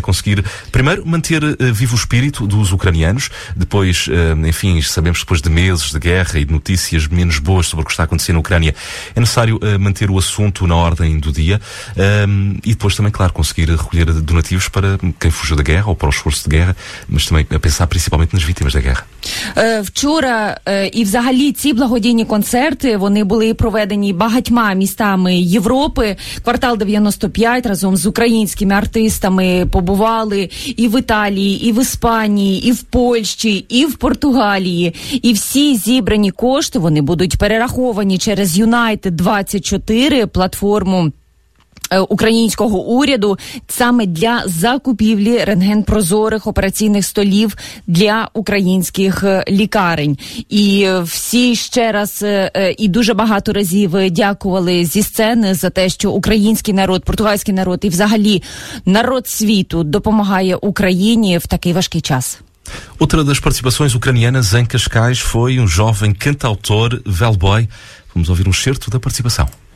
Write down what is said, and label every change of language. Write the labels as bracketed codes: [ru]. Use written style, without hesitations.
[pt] Conseguir, primeiro, manter vivo o espírito dos ucranianos, depois, enfim, sabemos que depois de meses de guerra e de notícias menos boas sobre o que está acontecendo na Ucrânia, é necessário manter o assunto na ordem do dia, e depois também, claro, conseguir recolher donativos para quem fugiu da guerra ou para o esforço de guerra, mas também pensar principalmente nas vítimas da guerra. [uk] Вчора і взагалі ці благодійні концерти, вони були проведені багатьма містами Європи. Квартал 95 разом з українськими артистами побували і в Італії, і в Іспанії, і в Польщі, і в Португалії. І всі зібрані кошти, вони будуть перераховані через United24, платформу українського уряду, саме для закупівлі рентген-прозорих операційних столів для українських лікарень. І всі ще раз і дуже багато разів дякували зі сцени за те, що український народ, португальський народ і взагалі народ світу допомагає Україні в такий важкий час. [pt] Outra das participações ucranianas em Cascais foi um jovem cantautor, Velboy. Vamos ouvir um excerto da participação.